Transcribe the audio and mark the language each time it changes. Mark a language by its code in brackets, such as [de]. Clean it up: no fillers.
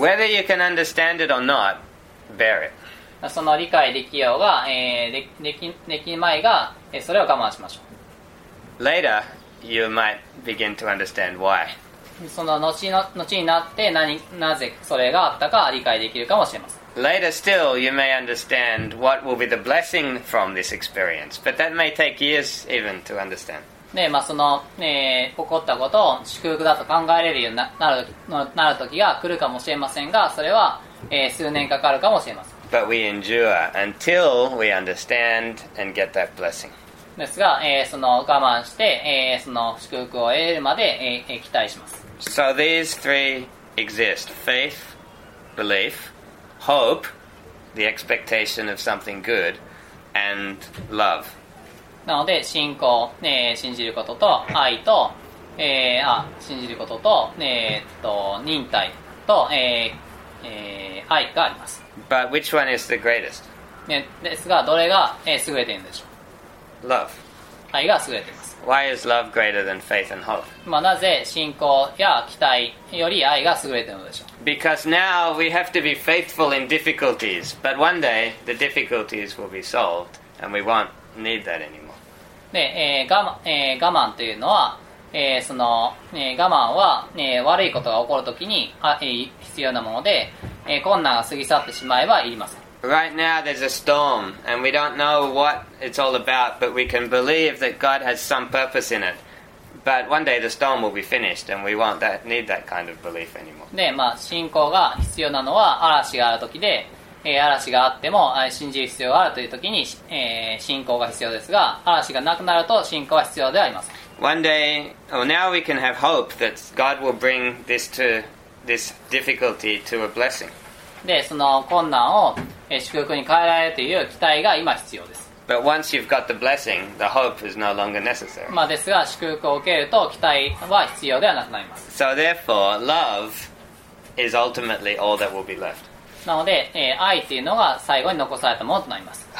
[en] Whether you can understand it or not, bear it. [ja] その理解できようが、できまいが、それを我慢しましょう。 [en] Later, you might begin to understand why. [ja] その後になって なぜそれがあったか理解できるかもしれません。 [en] Later still, you may understand what will be the blessing from this experience, but that may take years even to understand. [ja] で、まあ、その、起こったことを祝福だと考えれるようになる時が来るかもしれませんが、それは、数年かかるかもしれません。 [en] But we endure until we understand and get that blessing. [ja] ですが、その我慢して、その祝福を得るまで、期待します。 [en] So these three exist. Faith, belief, hope, the expectation of something good, and love. [ja] なので、信仰、信じることと、愛と、信じることと、忍耐と、愛があります。 [en] But which one is the greatest? [ja] ですが、どれが、優れているんでしょう。 [en] Love. [ja] 愛が優れています。 [en] Why is love greater than faith and hope? [ja] まあ、なぜ信仰や期待より愛が優れているのでしょう。 [en] Because now we have to be faithful in difficulties, but one day the difficulties will be solved and we won't need that anymore. [ja] で、我慢というのは、その、我慢は、悪いことが起こるときに、必要なもので、困難が過ぎ去ってしまえばいりません。 [en] Right now there's a storm and we don't know what it's all about, but we can believe that God has some purpose in it. But one day the storm will be finished and we won't need that kind of belief anymore. [ja] で、まあ、信仰が必要なのは嵐がある時で、嵐があっても信じる必要があるという時に、信仰が必要ですが、嵐がなくなると信仰は必要ではありません。 [en] One day, well, now we can have hope that God will bring this difficulty to a blessing. [ja] で、その困難を祝福に変えられるという期待が今必要です。 [en] But once you've got the blessing, the hope is no longer necessary. [ja] まあですが、祝福を受けると期待は必要ではなくなります。 [en] So therefore, love is ultimately all that will be left. [ja] なので、愛というのが最後に残されたものとなります。